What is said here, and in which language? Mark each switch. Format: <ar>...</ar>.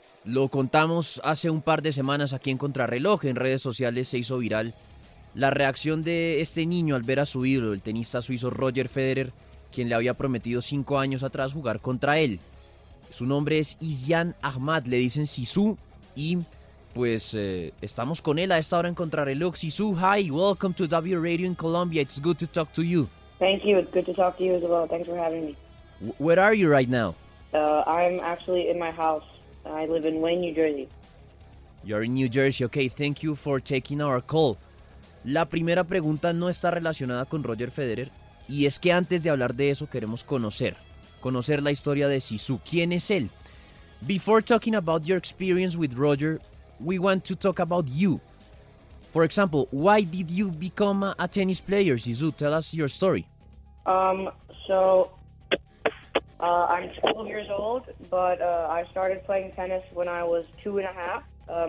<es>Lo contamos hace un par de semanas aquí en Contrarreloj, en redes sociales se hizo viral la reacción de este niño al ver a su ídolo, el tenista suizo Roger Federer, quien le había prometido 5 años atrás jugar contra él. Su nombre es Islian Ahmad, le dicen Sisu, y pues estamos con él a esta hora en Contrarreloj.</es> <en>Sisu, hi, welcome to W Radio in Colombia, it's good to talk to you. Thank you, it's good to talk to you as well, thanks for having me. Where are you right now? I'm actually in my house. I live in Wayne, New Jersey. You're in New Jersey. Okay, thank you for taking our call.</en> <es>La primera pregunta no está relacionada con Roger Federer, y es que antes de hablar de eso queremos conocer la historia de Sisu. ¿Quién es él?</es> <en>Before talking about your experience with Roger, we want to talk about you. For example, why did you become a tennis player, Sisu? Tell us your story. I'm 12 years old, but I started playing tennis when I was 2.5.</en>